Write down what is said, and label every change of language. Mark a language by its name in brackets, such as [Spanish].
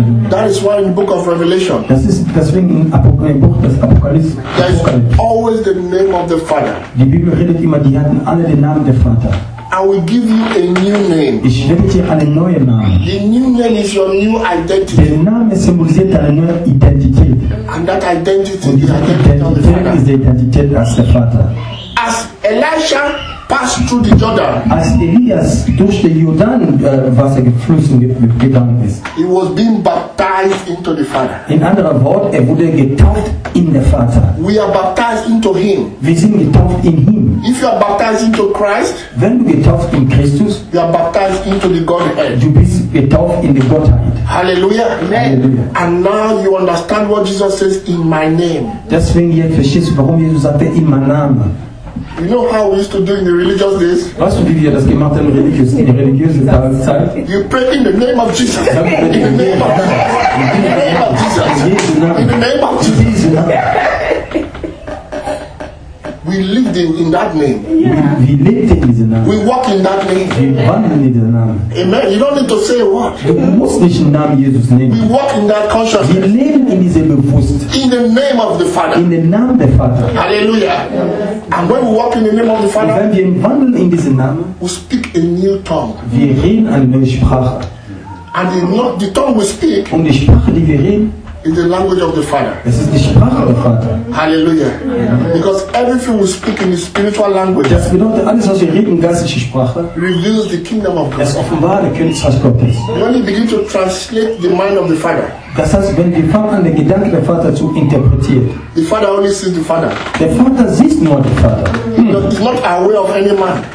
[English] That is why in the book of Revelation. [German] Das ist deswegen in Apokalypse. [English] There is always the name of the Father. [German] Die Bibel redet immer, die hatten alle den Namen des Vaters. [English] I will give you a new name. [German] Ich werde dir einen neuen Namen. [English] The new name is your new identity. [German] Der Name symbolisiert deine neue Identität. [English] And that identity [German] und diese Identität ist die Identität als der Vater. [English] As Elisha passed through the Jordan. [German] Als Elias durch den Jordan Wasser geflossen gegangen ist. [English] He was being baptized into the Father. [German] In anderen Worten, er wurde getauft in den Vater. [English] We are baptized into him. [German] Wir sind getauft in ihn. [English] If you are baptized into Christ, [German] wenn du getauft in Christus, [English] you are baptized into the Godhead. [German] Du bist getauft in die Gottheit. [English] Hallelujah. Hallelujah. And now you understand what Jesus says in my name. [German] Deswegen jetzt verstehst du, warum Jesus sagte in meinem Namen. [English] You know how we used to do in the religious days? [German] Was wie wir das gemacht haben in der religiösen Zeit? [English] You pray in the name of Jesus. In the name of Jesus. In the name of Jesus. We lived in that name. Yeah. We lived in the name. We walk in that name. [German] Wir wandeln [English] in the name. Amen. You don't need to say what. [German] Du musst nicht Namen Jesus nehmen. [English] We walk in that consciousness. [German] Wir leben in diesem Bewusstsein. [English] In the name of the Father. In the name [German] des Vaters. [English] Hallelujah. Yeah. And when we walk in the name of the Father, [German] wenn wir wandeln in diesem Namen, [English] we speak a new tongue. [German] Wir reden eine neue Sprache. [English] And the tongue we speak. [German] Und die Sprache, die wir reden. [English] Is the language of the Father. [German] Es ist die Sprache des Vaters. [English] Hallelujah. Yeah. Because everything we speak in the spiritual language. [German] Das bedeutet alles, was wir reden, geistliche Sprache. [English] Reveals the kingdom of God. [German] Es offenbart den Königreich Gottes. [English] When you begin to translate the mind of the Father. [German] Das heißt, wenn wir fangen, den Gedanken des Vaters zu interpretieren. [English] The Father only sees the Father. [German] Der Vater sieht nur den Vater. [English] He's not aware of any man.